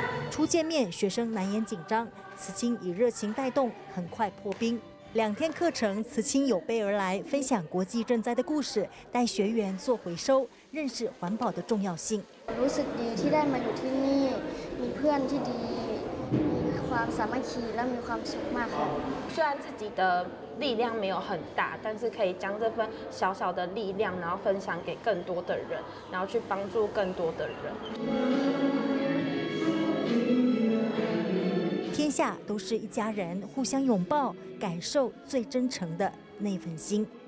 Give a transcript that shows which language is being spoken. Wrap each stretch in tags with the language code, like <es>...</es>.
<zh>初见面，学生难掩紧张，慈青以热情带动，很快破冰。 2天课程，慈青有备而来，分享国际赈灾的故事，带学员做回收，认识环保的重要性。</zh> <th>รู้สึกดีที่ได้มาอยู่ที่นี่มีเพื่อนที่ดีมีความสามัคคีและมีความสุขมากค่ะ</th> <zh>虽然自己的力量没有很大，但是可以将这份小小的力量，然后分享给更多的人，然后去帮助更多的人。天下都是一家人，互相拥抱，感受最真诚的那份心。</zh>